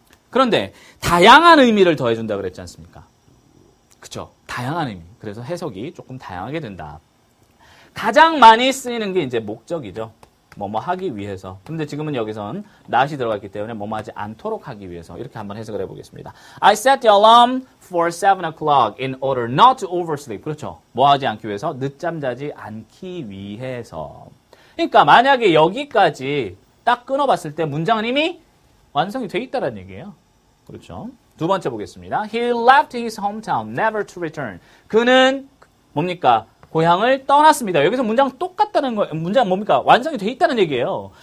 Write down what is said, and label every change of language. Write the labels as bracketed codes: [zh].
[ko] 그런데 다양한 의미를 더해준다 그랬지 않습니까? 그쵸? 다양한 의미. 그래서 해석이 조금 다양하게 된다. 가장 많이 쓰이는 게 이제 목적이죠. 뭐뭐 하기 위해서. 근데 지금은 여기선 not이 들어갔기 때문에 뭐뭐 하지 않도록 하기 위해서. 이렇게 한번 해석을 해보겠습니다. [en] I set the alarm for 7 o'clock in order not to oversleep. [ko] 그렇죠. 뭐 하지 않기 위해서? 늦잠 자지 않기 위해서. 그러니까 만약에 여기까지 딱 끊어봤을 때 문장은 이미 완성이 돼 있다라는 얘기예요. 그렇죠. 두 번째 보겠습니다. [en] He left his hometown never to return. [ko] 그는 뭡니까? 고향을 떠났습니다. 여기서 문장 똑같다는 거, 문장 뭡니까? 완성이 돼 있다는 얘기예요.